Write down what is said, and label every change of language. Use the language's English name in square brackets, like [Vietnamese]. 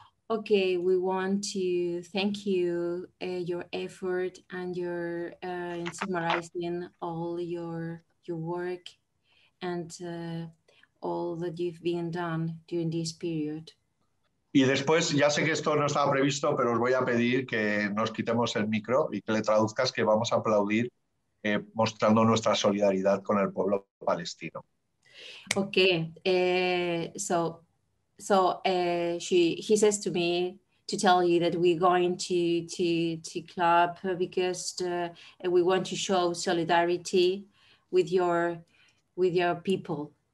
[English] Okay, we want to thank you your effort and your in summarizing all your work and all that you've been done during this period. [Spanish] Y después, ya sé que esto no estaba previsto, pero os voy a pedir que nos quitemos el micro y que le traduzcas que vamos a aplaudir mostrando nuestra solidaridad con el pueblo palestino. [English] Okay, he says to me to tell you that we're going to clap because we want to show solidarity with your people.